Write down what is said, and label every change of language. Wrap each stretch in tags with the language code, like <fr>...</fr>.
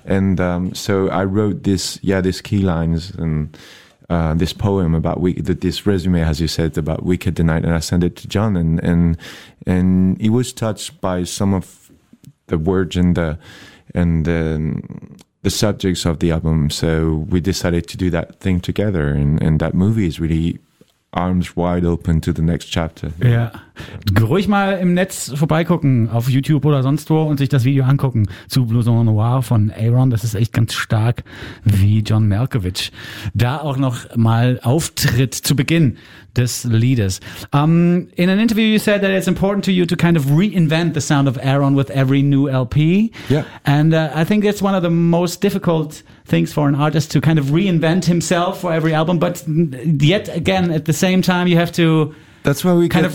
<en>And so I wrote this key lines and this poem about this resume, as you said, about Wicked the Night, and I sent it to John, and he was touched by some of the words and the subjects of the album. So we decided to do that thing together, and that movie is really arms wide open to the next chapter.</en> <de>Ja, ruhig mal im Netz vorbeigucken, auf YouTube oder sonst wo, und sich das Video angucken zu Blouson Noir von Aaron. Das ist echt ganz stark, wie John Malkovich da auch noch mal auftritt zu Beginn des Liedes.</de> <en>In an interview you said that it's important to you to kind of reinvent the sound of Aaron with every new LP. Yeah. And I think it's one of the most difficult things for an artist to kind of reinvent himself for every album, but yet again at the same time you have to kind of</en>